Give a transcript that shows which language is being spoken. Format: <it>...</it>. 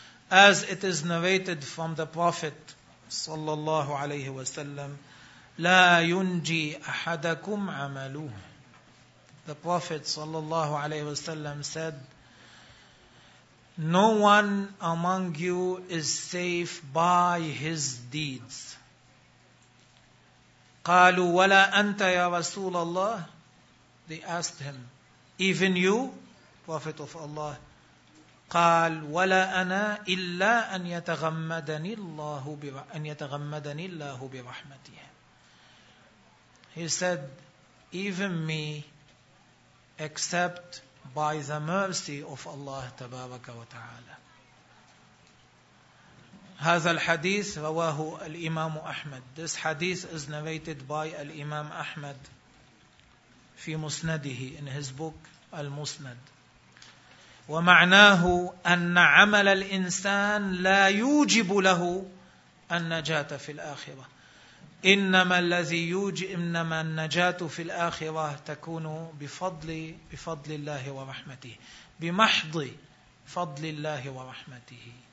<en>As it is narrated from the Prophet</en> <ar>sallallahu alayhi wa sallam, la yunji ahadakum amaluh.</ar> <en>The Prophet</en> <ar>sallallahu alayhi wa sallam</ar> <en>said, no one among you is safe by his deeds.</en> <ar>قالوا ولا أنت يا رسول الله.</ar> <en>They asked him, even you, Prophet of Allah.</en> <ar>قال ولا أنا إلا أن يتغمدني الله أن يتغمدني الله برحمته.</ar> <en>He said, even me, except by the mercy of Allah</en> <ar>Tabaraka wa Ta'ala. هذا الحديث رواه الإمام أحمد.</ar> <en>This hadith is narrated by الإمام أحمد</en> <ar>في مسنده,</ar> <en>in his book المسند.</en> <ar>ومعناه أن عمل الإنسان لا يوجب له النجاة في الآخرة. إنما الذي يوجب إنما النجاة في الآخرة تكون بفضل الله ورحمته بمحض فضل الله ورحمته.</ar>